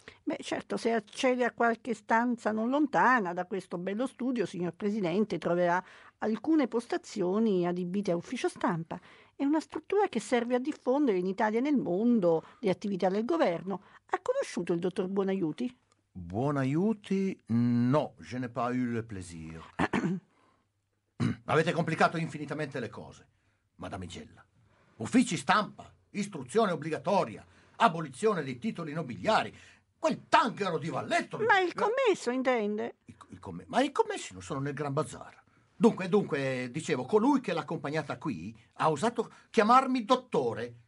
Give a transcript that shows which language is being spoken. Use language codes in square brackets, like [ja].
[it] Beh, certo, se accede a qualche stanza non lontana da questo bello studio, signor Presidente, troverà alcune postazioni adibite a ufficio stampa. È una struttura che serve a diffondere in Italia e nel mondo le attività del governo. Ha conosciuto il dottor Buonaiuti? Buonaiuti? [fr] No, je n'ai pas eu le plaisir. [it] Avete complicato infinitamente le cose, madamigella. Uffici stampa, istruzione obbligatoria, abolizione dei titoli nobiliari... Quel tanghero di Valletto... Ma il commesso, intende? Ma i commessi non sono nel Gran Bazar. Dunque, dicevo, colui che l'ha accompagnata qui ha osato chiamarmi dottore.